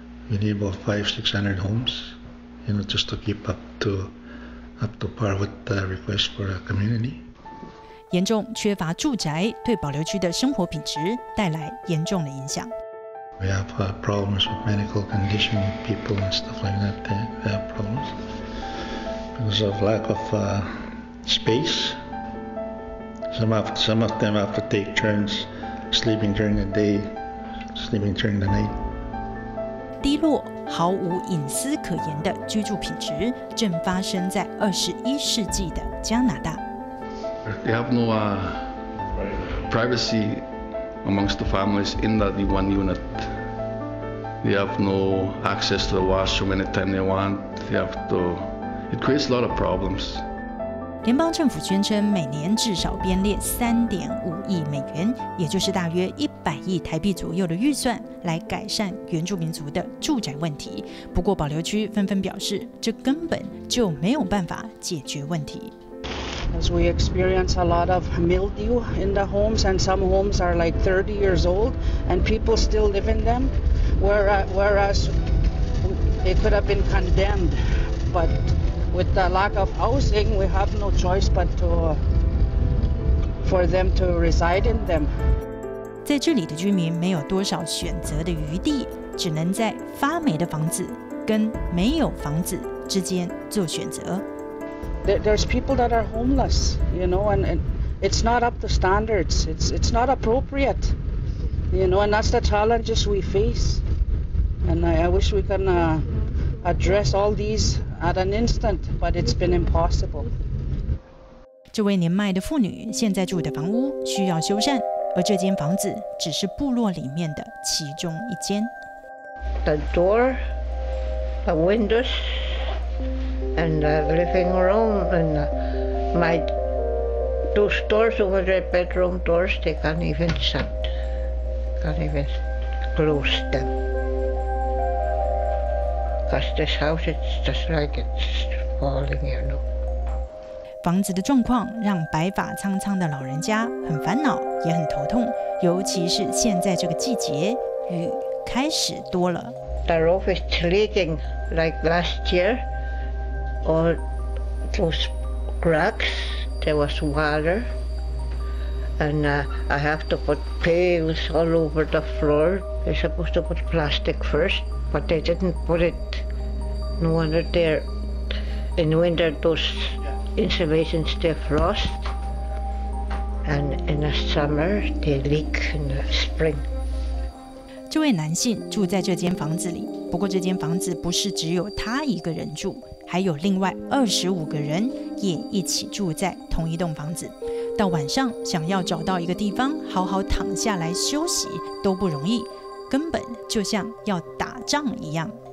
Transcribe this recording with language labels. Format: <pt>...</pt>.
<en>We need about 500-600 homes, you know, just to keep up to par with the request for a community.</en> <zh>严重缺乏住宅对保留区的生活品质带来严重的影响。</zh> <en>We have problems with medical condition, people and stuff like that. They have problems because of lack of space. Some of them have to take turns sleeping during the day, sleeping during the night.</en> <zh>低落毫无隐私可言的居住品质正发生在21世纪的加拿大。</zh> <en>They have no privacy amongst the families in that one unit. They have no access to the washroom anytime they want. It creates a lot of problems.</en> <zh>联邦政府宣称每年至少编列$3.5亿，也就是大约100亿台币左右的预算，来改善原住民族的住宅问题。不过，保留区纷纷表示，这根本就没有办法解决问题。</zh> <en>As we experience a lot of mildew in the homes, and some homes are like 30 years old, and people still live in them, whereas they could have been condemned. But with the lack of housing, we have no choice but for them to reside in them.</en> <zh>在这里的居民没有多少选择的余地，只能在发霉的房子跟没有房子之间做选择。</zh> <en>There's people that are homeless, you know, and it's not up to standards. It's not appropriate, you know, and that's the challenges we face. And I wish we can address all these at an instant, but it's been impossible.</en> <zh>这位年迈的妇女现在住的房屋需要修缮，而这间房子只是部落里面的其中一间。</zh> <en>The door, the windows. And the living room and my two doors over the bedroom doors, they can't even shut, can't even close them. Because this house is just like it's falling, you know.</en> <zh>房子的状况让白发苍苍的老人家很烦恼，也很头痛，尤其是现在这个季节，雨开始多了。</zh> <en>The roof is leaking like last year. All those cracks, there was water, and I have to put pails all over the floor. They're supposed to put plastic first, but they didn't put it. No wonder they're in winter, those insulations they frost, and in the summer, they leak in the spring.</en> <zh>这位男性住在这间房子里，不过这间房子不是只有他一个人住。还有另外25个人也一起住在同一栋房子，到晚上想要找到一个地方好好躺下来休息都不容易，根本就像要打仗一样。</zh>